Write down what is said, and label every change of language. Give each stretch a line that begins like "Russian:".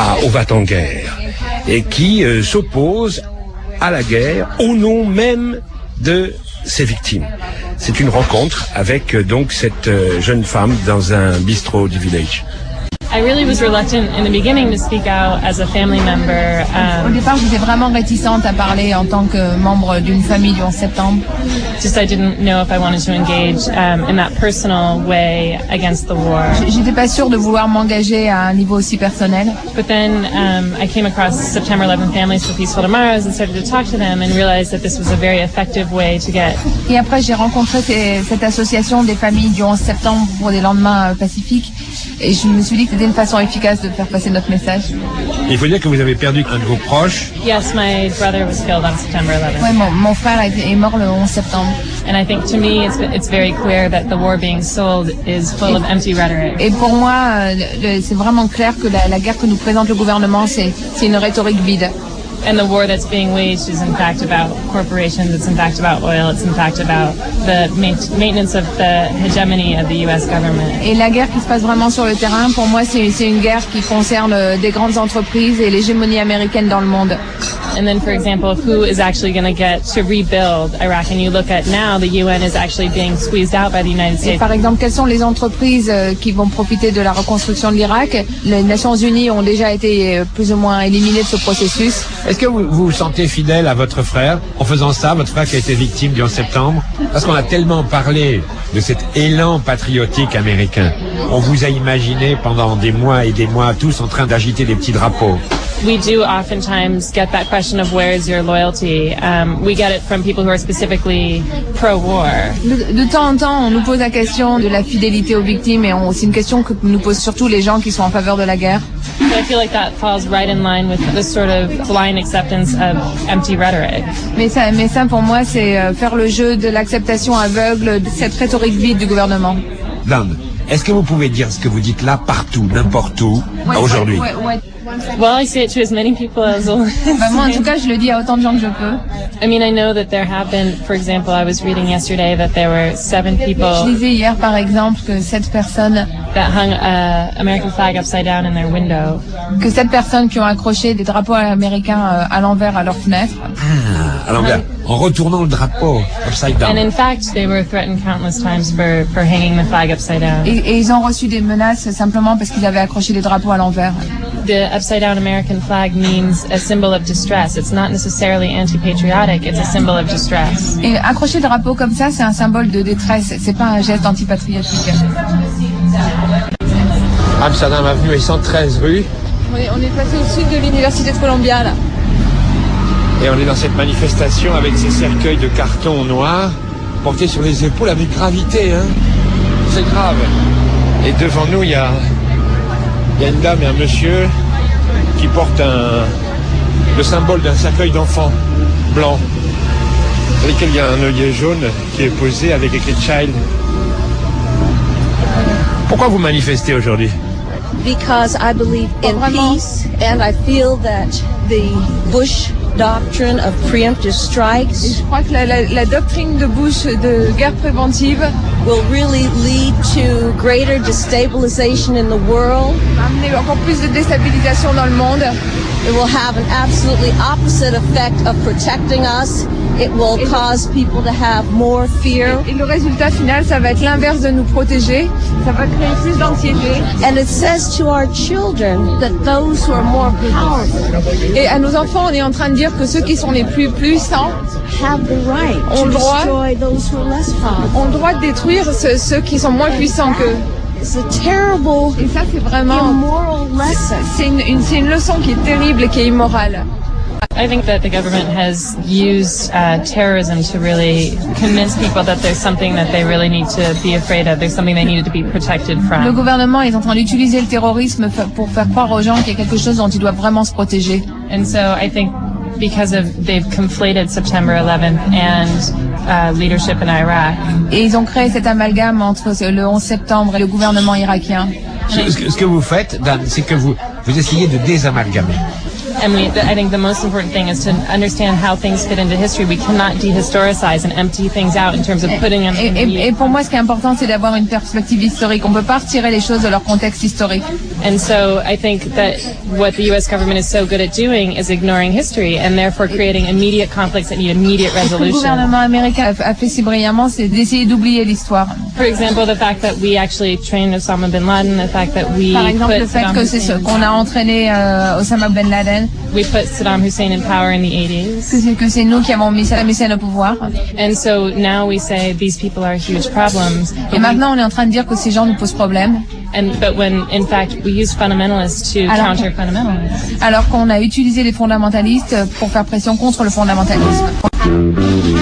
French: va-t-en guerre, et qui s'oppose à la guerre au nom même de ses victimes. C'est une rencontre avec donc cette jeune femme dans un bistrot du village.
English: I really was reluctant in the beginning to speak out as a family member.
French: Au départ, j'étais vraiment réticente à parler en tant que membre d'une famille du 11 septembre.
English: Just I didn't know if I wanted to engage in that personal way against the war.
French: J'étais pas sûre de vouloir m'engager à un niveau aussi personnel.
English: But then I came across September 11 Families for Peaceful Tomorrows and started to talk to them and realized that this was a very effective way to get.
French: Et après, j'ai rencontré cette association des familles du 11 septembre pour des lendemains pacifiques et je me suis dit que trouver une façon efficace de faire passer notre message. Il faut dire que vous avez perdu un de vos proches.
English: Yes, my brother was killed on September 11th.
French: Oui, mon frère est mort le 11 septembre.
English: And I think to me it's very clear that the war being sold is full of empty rhetoric.
French: Et pour moi, c'est vraiment clair que la guerre que nous présente le gouvernement, c'est une rhétorique vide.
English: And the war that's being waged is in fact about corporations, it's in fact about oil, it's in fact about the maintenance of the hegemony of the US government.
French: Et la guerre qui se passe vraiment sur le terrain, pour moi, c'est une guerre qui concerne des grandes entreprises et l'hégémonie américaine dans le monde.
English: And then, for example, who is actually going to get to rebuild Iraq? And you look at now, the UN is actually being squeezed out by the United States.
French: Et par exemple, quelles sont les entreprises qui vont profiter de la reconstruction de l'Irak? Les Nations Unies ont déjà été plus ou moins éliminées de ce processus. Est-ce que vous vous sentez fidèle à votre frère en faisant ça, votre frère qui a été victime du 11 septembre? Parce qu'on a tellement parlé de cet élan patriotique américain. On vous a imaginé pendant des mois et des mois tous en train d'agiter des petits drapeaux.
English: We do oftentimes get that question of where is your loyalty. We get it from people who are specifically pro-war.
French: De temps en temps, on nous pose la question de la fidélité aux victimes, et c'est une question que nous posent surtout les gens qui sont en faveur de la guerre.
English: But I feel like that falls right in line with the sort of blind acceptance of empty rhetoric.
French: Mais ça, pour moi, c'est faire le jeu de l'acceptation aveugle de cette rhétorique vide du gouvernement. Dan, est-ce que vous pouvez dire ce que vous dites là partout, n'importe où, aujourd'hui?
English: Well, I say it to as many people as well.
French: Bah moi, en tout cas, je le dis à autant de gens que je peux.
English: I mean, I know that there have been, for example, I was reading yesterday that there were 7 people.
French: Je lisais hier, par exemple, que 7 personnes
English: that hung an American flag upside down in their window.
French: Que 7 personnes qui ont accroché des drapeaux américains à l'envers à leur fenêtre. Ah, à l'envers, en retournant le drapeau
English: upside down. And in fact, they were threatened countless times for hanging the flag upside down.
French: Et ils ont reçu des menaces simplement parce qu'ils avaient accroché des drapeaux à l'envers.
English: The upside down American flag means a symbol of distress. It's not necessarily anti-patriotic, it's a symbol of distress.
French: Et accrocher le drapeau comme ça, c'est un symbole de détresse, c'est pas un geste anti-patriotique. Amsterdam Avenue et 113 rue. On est passé au sud de l'Université de Columbia là. Et on est dans cette manifestation avec ces cercueils de carton noir portés sur les épaules avec gravité, hein. C'est grave. Et devant nous, il y a une dame et un monsieur qui portent le symbole d'un cercueil d'enfant blanc, dans lequel il y a un œillet jaune qui est posé avec écrit Child. Pourquoi vous manifestez aujourd'hui?
English: Because I believe in peace and I feel that the Bush doctrine of preemptive strikes.
French: Et je crois que la doctrine de Bush de guerre préventive
English: will really lead to greater destabilization in the world.
French: Va amener encore plus de déstabilisation dans le monde.
English: It will have an absolutely opposite effect of protecting us. It will cause people to have more fear.
French: Et le résultat final, ça va être l'inverse de nous protéger. Ça va créer plus d'anxiété.
English: And it says to our children that those who are more powerful.
French: Et à nos enfants, on est en train de dire que ceux qui sont les plus puissants
English: have the right to destroy those who are less powerful.
French: Ont le droit de détruire ceux qui sont moins puissants qu'eux.
English: It's a terrible,
French: et ça, c'est vraiment
English: immoral lesson.
French: C'est une leçon qui est terrible et qui est immorale.
English: I think that the government has used terrorism to really convince people that there's something that they really need to be afraid of. There's something they need to be protected from.
French: Le gouvernement est en train d'utiliser le terrorisme pour faire croire aux gens qu'il y a quelque chose dont ils doivent vraiment se protéger.
English: And so I think because of they've conflated September 11th and leadership in Iraq.
French: Et ils ont créé cet amalgame entre le 11 septembre et le gouvernement irakien. Ce que vous faites, Dan, c'est que vous essayez de désamalgamer.
English: And I think the most important thing is to understand how things fit into history. We cannot dehistoricize and empty things out in terms of putting them.
French: Et pour moi, ce qui est important, c'est d'avoir une perspective historique. On ne peut pas retirer les choses de leur contexte historique.
English: And so I think that what the U.S. government is so good at doing is ignoring history and therefore creating immediate conflicts that need immediate resolution.
French: Ce que le gouvernement américain a fait si brillamment, c'est d'essayer d'oublier l'histoire.
English: For example, the fact that we actually trained Osama bin Laden, the fact that we
French: qu'on a entraîné Osama bin Laden.
English: We put Saddam Hussein in power in the 80s.
French: Que c'est nous qui avons mis Saddam Hussein au pouvoir.
English: And so now we say these people are huge problems.
French: Et maintenant on est en train de dire que ces gens nous posent problème.
English: But when in fact we use fundamentalists to counter fundamentalists.
French: Alors qu'on a utilisé les fondamentalistes pour faire pression contre le fondamentalisme.